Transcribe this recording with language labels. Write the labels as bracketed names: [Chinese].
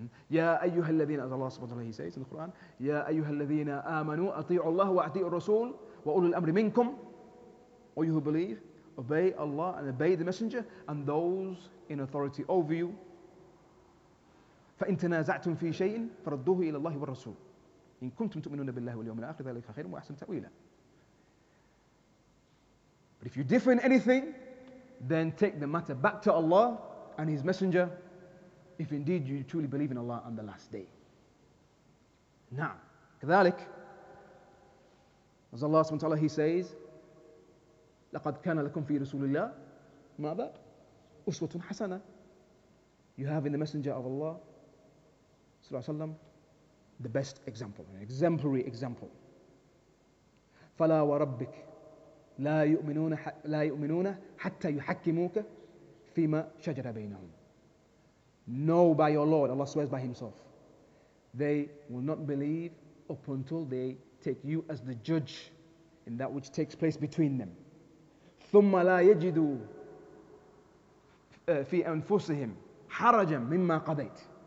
[Arabic] يا أيها الذين [English] as Allah [Arabic] سبحانه وتعالى [English] he says in the Quran, [Arabic] يا أيها الذين آمنوا أطيعوا الله وأطيعوا الرسول وأولو الأمر منكم. [English] All you who believe, obey Allah and obey the Messenger and those in authority over you. [Arabic] فإن تنازعتم في شيء فردوه إلى الله والرسول إن كنتم تؤمنون بالله واليوم الآخر ذلك خير وأحسن تأويلا. [English] But if you differ in anything, then take the matter back to Allah and His Messenger, if indeed you truly believe in Allah on the last day. Now, [Arabic] كذلك, [English] as Allah subhanahu wa ta'ala, He says, [Arabic] لَقَدْ كَانَ لَكُمْ فِي رَسُولِ اللَّهِ مَاذَا أُسْوَةٌ حَسَنَةٌ. [English] You have in the Messenger of Allah, [Arabic] صلى الله عليه وسلم, [English] the best example, an exemplary example. [Arabic] فَلَا وَرَبِّكَ لا يؤمنون حتى يحكموك فيما شجر بينهم. [English] No, by your Lord, Allah swears by Himself, they will not believe up until they take you as the judge in that which takes place between them. [Arabic] ثم لا يجدوا في أنفسهم حرجا مما قضيت.